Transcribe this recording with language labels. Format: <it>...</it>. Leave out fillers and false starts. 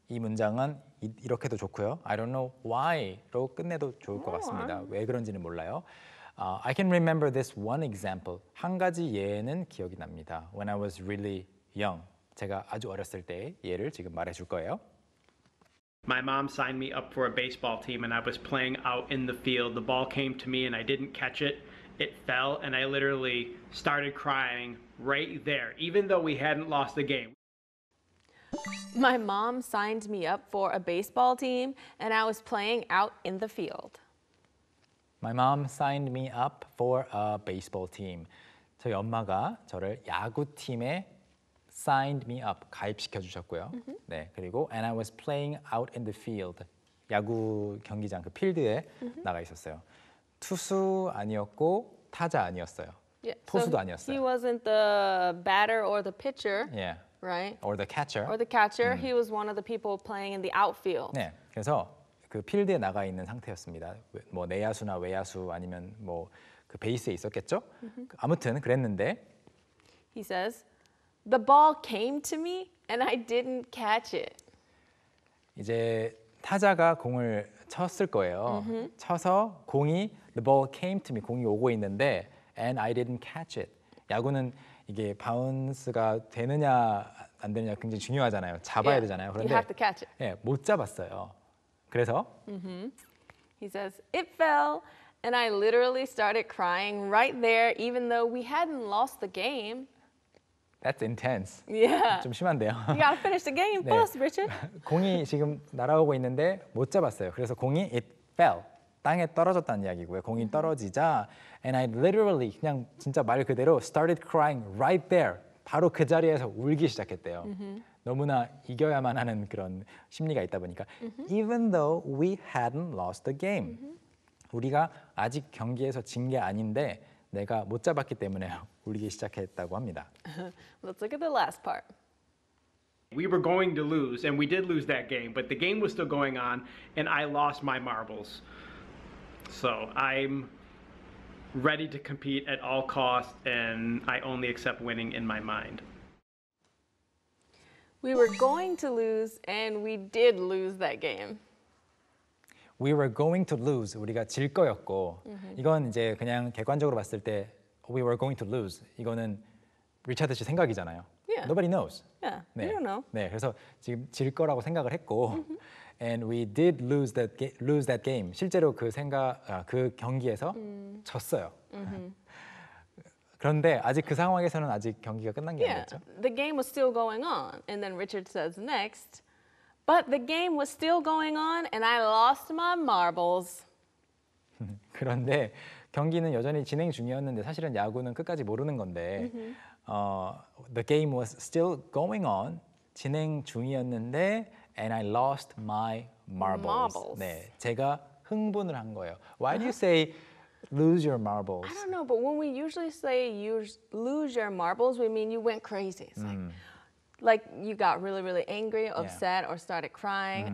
<ko>이 문장은 이렇게도 좋고요.</ko> <en>I don't know why</en> <ko>로 끝내도 좋을 것 같습니다. 왜 그런지는 몰라요.</ko> <en>I can remember this one example.</en> <ko>한 가지 예는 기억이 납니다.</ko> <en>When I was really young.</en> <ko>제가 아주 어렸을 때 예를 지금 말해줄 거예요.</ko> <en>My mom signed me up for a baseball team and I was playing out in the field. The ball came to me and I didn't catch it. It fell and I literally started crying right there, even though we hadn't lost the game. My mom signed me up for a baseball team and I was playing out in the field. My mom signed me up for a baseball team.</en> <ko>저희 엄마가 저를 야구팀에</ko> <en>signed me up,</en> <ko>가입시켜 주셨고요. Mm-hmm. 네, 그리고</ko> <en>and I was playing out in the field.</en> <ko>야구 경기장, 그 필드에 mm-hmm. 나가 있었어요. 투수 아니었고 타자 아니었어요.</ko> <en>Yeah.</en> <ko>포수도</ko> <en>so</en> <ko>아니었어요.</ko> <en>He wasn't the batter or the pitcher, yeah. right? Or the catcher. Or the catcher. He was one of the people playing in the outfield.</en> <ko>네, 그래서 그 필드에 나가 있는 상태였습니다. 뭐 내야수나 외야수 아니면 뭐 그 베이스에 있었겠죠? Mm-hmm. 아무튼 그랬는데</ko> <en>He says, The ball came to me and I didn't catch it.</en> <ko>이제 타자가 공을 쳤을 거예요.</ko> <en>Mm-hmm.</en> <ko>쳐서 공이</ko> <en>the ball came to me</en> <ko>공이 오고 있는데</ko> <en>and I didn't catch it.</en> <ko>야구는 이게 바운스가 되느냐 안 되느냐 굉장히 중요하잖아요. 잡아야</ko> <en>yeah.</en> <ko>되잖아요. 그런데</ko> <en>you have to catch it.</en> <ko>예, 못 잡았어요. 그래서 mm-hmm.</ko> <en>He says it fell and I literally started crying right there even though we hadn't lost the game. That's intense. Yeah.</en> <ko>좀 심한데요.</ko> <en>You gotta finish the game first, 네. Richard.</en> <ko>공이 지금 날아오고 있는데 못 잡았어요. 그래서 공이</ko> <en>it fell.</en> <ko>땅에 떨어졌다는 이야기고요. 공이 떨어지자</ko> <en>and I literally</en> <ko>그냥 진짜 말 그대로</ko> <en>started crying right there.</en> <ko>바로 그 자리에서 울기 시작했대요. Mm-hmm. 너무나 이겨야만 하는 그런 심리가 있다 보니까 mm-hmm.</ko> <en>even though we hadn't lost the game. Mm-hmm.</en> <ko>우리가 아직 경기에서 진 게 아닌데 내가 못 잡았기 때문에 울기 시작했다고 합니다.</ko> <en>Let's look at the last part. We were going to lose, and we did lose that game, but the game was still going on, and I lost my marbles. So I'm ready to compete at all costs, and I only accept winning in my mind. We were going to lose, and we did lose that game. We were going to lose.</en> <ko>우리가 질 거였고</ko> <en>mm-hmm.</en> <ko>이건 이제 그냥 객관적으로 봤을 때</ko> <en>we were going to lose.</en> <ko>이거는 리차드 씨 생각이잖아요.</ko> <en>Yeah. Nobody knows. Yeah.</en> <ko>네.</ko> <en>You don't know.</en> <ko>네. 그래서 지금 질 거라고 생각을 했고 mm-hmm.</ko> <en>and we did lose that game.</en> <ko>실제로 그 경기에서 졌어요. Mm-hmm. 그런데 아직 그 상황에서는 아직 경기가 끝난 게</ko> <en>yeah.</en> <ko>아니었죠.</ko> <en>The game was still going on. And then Richard says next. But the game was still going on and I lost my marbles.</en> <ko>그런데 경기는 여전히 진행 중이었는데 사실은 야구는 끝까지 모르는 건데</ko> <en>the game was still going on,</en> <ko>진행 중이었는데</ko> <en>and I lost my marbles. Marbles.</en> <ko>네, 제가 흥분을 한 거예요.</ko> <en>Why do you say lose your marbles? I don't know, but when we usually say you lose your marbles, we mean you went crazy. It's like you got really, really angry, upset, yeah. or started crying.</en>